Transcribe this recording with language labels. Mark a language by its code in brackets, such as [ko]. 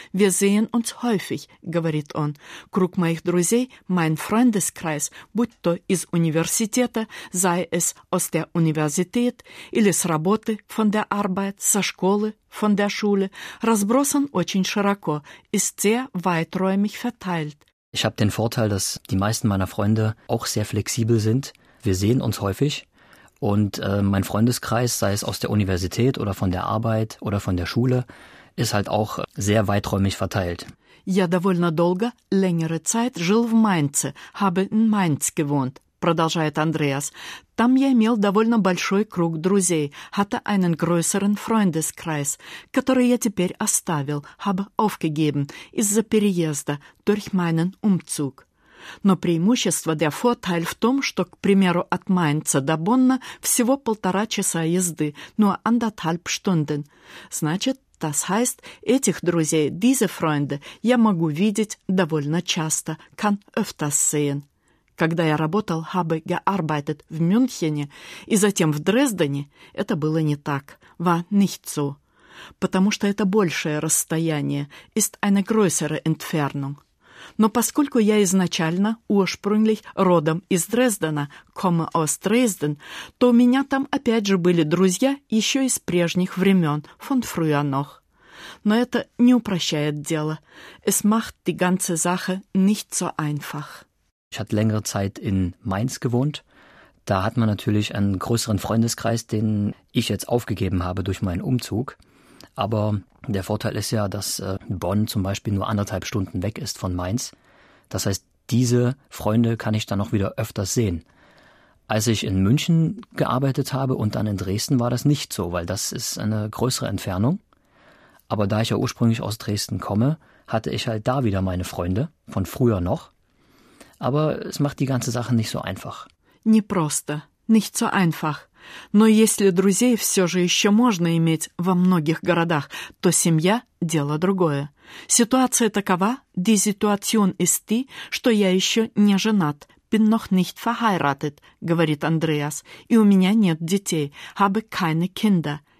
[de] Wir sehen uns häufig», — [ru] говорит он. «Круг моих друзей, [de] mein Freundeskreis, [ru] будь то из университета, [de] sei es aus der Universität, [ru] или с работы, [de] von der Arbeit, [ru] со школы, [de] von der Schule, [ru] разбросан очень широко, [de] ist sehr weiträumig verteilt». Ich habe den Vorteil, dass die meisten meiner Freunde auch sehr flexibel sind. Wir sehen uns häufig. Und mein Freundeskreis, sei es aus der Universität oder von der Arbeit oder von der Schule, ist halt auch sehr weiträumig verteilt. [ru] Я довольно долго, [de] längere Zeit, [ru] жил в Майнце, [de] habe in Mainz gewohnt, [ru] продолжает Андреас. Там я имел довольно большой круг друзей, [de] hatte einen größeren Freundeskreis, [ru] который я теперь оставил, [de] habe aufgegeben, [ru] из-за переезда, [de] durch meinen Umzug. [ru] Но преимущество, [de] der Vorteil [ru] в том, что, к примеру, от Майнца до Бонна всего 1,5 часа езды, [de] nur 1,5 Stunden. [ru] Значит, [de] das heißt, [ru] этих друзей, [de] diese Freunde, [ru] я могу видеть довольно часто, [de] kann öfters sehen. [ru] Когда я работал, [de] habe gearbeitet [ru] в Мюнхене и затем в Дрездене, это было не так, [de] war nicht so. [ru] Потому что это большее расстояние, [de] ist eine größere Entfernung. [ru] Но поскольку я изначально, ursprünglich, родом из Дрездена, [de] komme aus Dresden, [ru] то у меня там опять же были друзья еще из прежних времен, [de] von früher noch. [ru] Но это не упрощает дело. [de] Es macht die ganze Sache nicht so einfach. Ich hatte längere Zeit in Mainz gewohnt. Da hat man natürlich einen größeren Freundeskreis, den ich jetzt aufgegeben habe durch meinen Umzug. Aber der Vorteil ist ja, dass Bonn zum Beispiel nur 1,5 Stunden weg ist von Mainz. Das heißt, diese Freunde kann ich dann auch wieder öfters sehen. Als ich in München gearbeitet habe und dann in Dresden, war das nicht so, weil das ist eine größere Entfernung. Aber da ich ja ursprünglich aus Dresden komme, hatte ich halt da wieder meine Freunde, von früher noch. Aber es macht die ganze Sache nicht so einfach. [ru] Не просто, [de] nicht so einfach. [ru] Но если друзей все же еще можно иметь во многих городах, то семья – дело другое. Ситуация такова, [de] die Situation ist die, [ru] что я еще не женат, [de] bin noch nicht verheiratet, [ru] говорит Андреас, и у меня нет детей, [de] habe keine Kinder.